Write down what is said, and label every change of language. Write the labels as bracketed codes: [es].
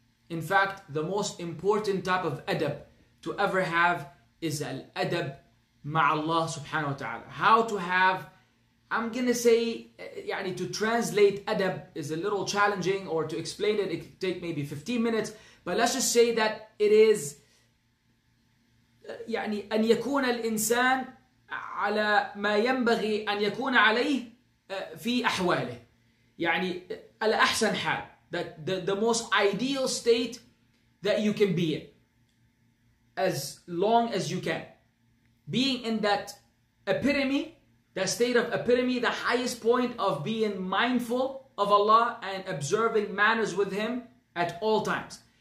[en] In fact, the most important type of adab to ever have is al-adab ma'allah subhanahu wa ta'ala. How to have, I'm going to say, يعني, to translate adab is a little challenging, or to explain it could take maybe 15 minutes. But let's just say that it is, [ar] يعني, أن يكون الإنسان على ما ينبغي أن يكون عليه في أحواله. يعني الأحسن حال, [en] that the most ideal state that you can be in as long as you can. Being in that epitome, that state of epitome, the highest point of being mindful of Allah and observing manners with Him at all times.